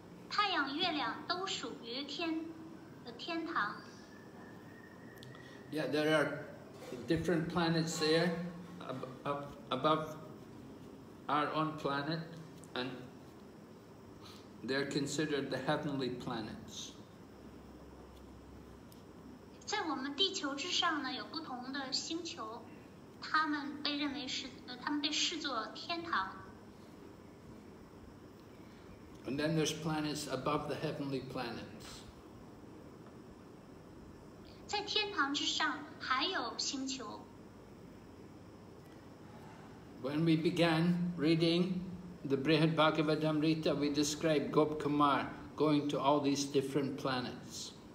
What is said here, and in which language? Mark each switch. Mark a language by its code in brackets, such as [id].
[zh] 太阳、月亮都属于天堂。 [en] Yeah, there are. Different planets there, above our own planet, and they're considered the heavenly planets. [zh] 在我们地球之上呢，有不同的星球，他们被视作天堂。 [en] And then there's planets above the heavenly planets. [zh] 在天堂之上还有星球。 [en] When we began reading the Brihad Bhagavadamrita, we described Gop Kumar going to all these different planets.